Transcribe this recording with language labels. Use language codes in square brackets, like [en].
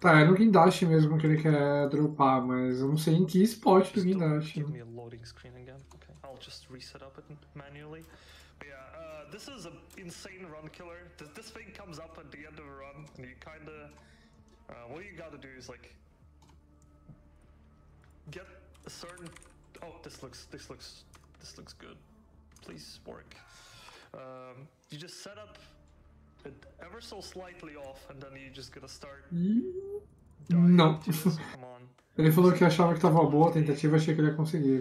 [pt] Tá, é no guindaste mesmo que ele quer dropar, mas eu não sei em que spot do guindaste. [en] Give me a loading screen again. Okay. I'll just reset up it manually. But yeah, this is an insane run killer. This thing comes up at the end of a run, and you kinda. What you gotta do is like. Get a certain. Oh, this looks good. Please work. You just set up. Ever so slightly off, and then you're just gonna start. [pt] Não. Ele falou que achava que tava boa a tentativa, achei que ele ia conseguir.